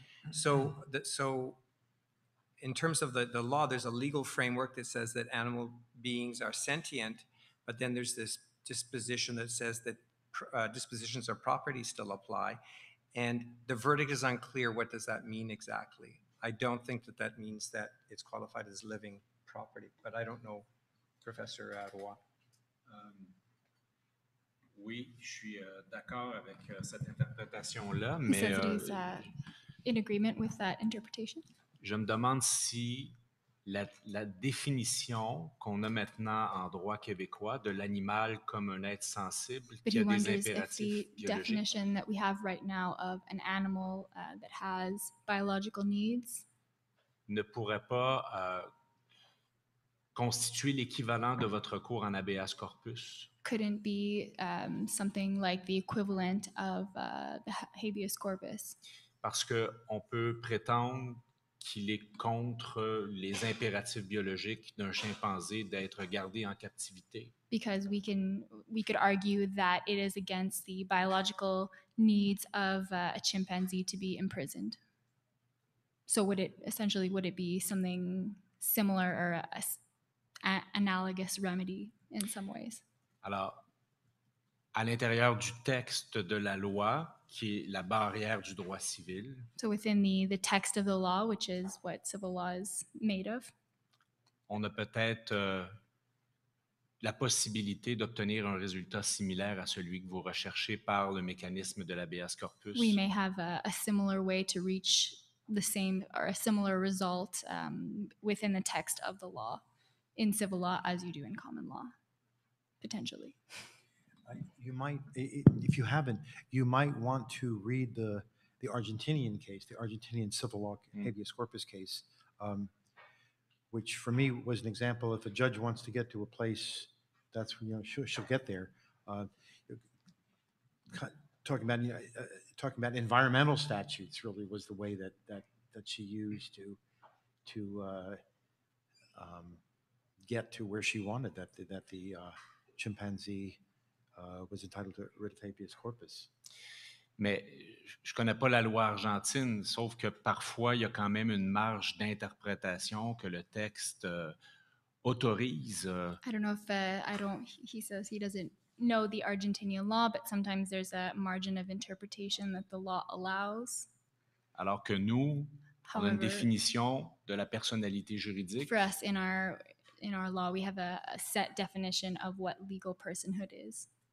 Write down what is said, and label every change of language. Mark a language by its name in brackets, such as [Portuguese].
[English] So in terms of the law, there's a legal framework that says that animal beings are sentient, but then there's this disposition that says that dispositions of property still apply. And the verdict is unclear. What does that mean exactly? I don't think that means that it's qualified as living property, but I don't know, Professor Roy. [French] Oui, je suis d'accord avec cette interprétation-là, mais... [English] He says it is in agreement with that interpretation. [French] Je me demande si la définition qu'on a maintenant en droit québécois de l'animal comme un être sensible qui a des impératifs biologiques. [English] But he wonders if the definition that we have right now of an animal that has biological needs [French] ne pourrait pas constituer l'équivalent de votre cours en habeas corpus. [English] Couldn't be something like the equivalent of the habeas corpus. [French] Parce que on peut prétendre qu'il est contre les impératifs biologiques d'un chimpanzé d'être gardé en captivité. [English] Because we could argue that it is against the biological needs of a chimpanzee to be imprisoned. So would it be something similar or an analogous remedy in some ways? [French] Alors, à l'intérieur du texte de la loi, qui est la barrière du droit civil. [English] So within the text of the law, which is what civil law is made of. [French] On a peut-être la possibilité d'obtenir un résultat similaire à celui que vous recherchez par le mécanisme de l'habeas corpus. [English] We may have a similar way to reach the same or a similar result within the text of the law in civil law as you do in common law, potentially. You might, if you haven't, you might want to read the Argentinian case, the Argentinian civil law habeas corpus case, which for me was an example. If a judge wants to get to a place, that's when, you know, she'll get there. Talking about environmental statutes really was the way that she used to to get to where she wanted, that chimpanzee was entitled to writ of habeas corpus. [French] Mais je connais pas la loi argentine, sauf que parfois il y a quand même une marge d'interprétation que le texte autorise. [English] I don't know if he says he doesn't know the Argentinian law, but sometimes there's a margin of interpretation that the law allows. [French] Alors que nous, on a une définition de la personnalité juridique. [English] For us, in our law, we have a set definition of what legal personhood is.